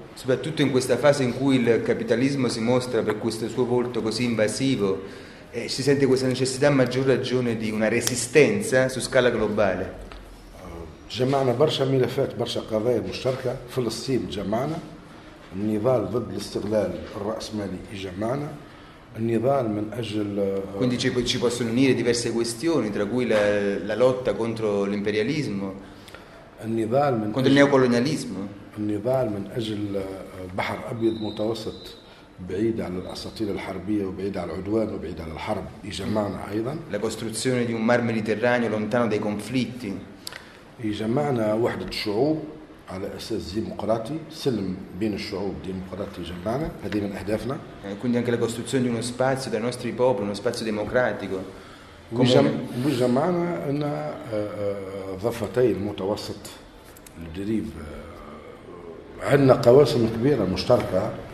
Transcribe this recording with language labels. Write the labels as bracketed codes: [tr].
[it] Soprattutto in questa fase in cui il capitalismo si mostra per questo suo volto così invasivo, si sente questa necessità a maggior ragione di una resistenza su scala globale. [ar] جمعنا برشا ملفات برشا قضايا مشتركة فلسطين جمعنا النضال ضد الاستغلال الرأسمالي جمعنا النضال من أجل. [it] Quindi ci possono unire diverse questioni tra cui la lotta contro l'imperialismo. [ar] النضال من [it] contro il neocolonialismo. [ar] النضال من أجل بحر أبيض متوسط. بعيد عن الأساطير الحربية وبعيد عن العدوان وبعيد عن الحرب يجمعنا أيضا. [it] La costruzione di un mar Mediterraneo lontano dai conflitti. [ar] يجمعنا وحدة الشعوب على أساس ديمقراطي سلم بين الشعوب ديمقراطي يجمعنا هذه من أهدافنا. [it] Quindi anche la costruzione di uno spazio dai nostri popoli uno spazio democratico. [ar] ويجمعنا أن ضفتي المتوسط الجريب عندنا قواسم كبيرة مشتركة.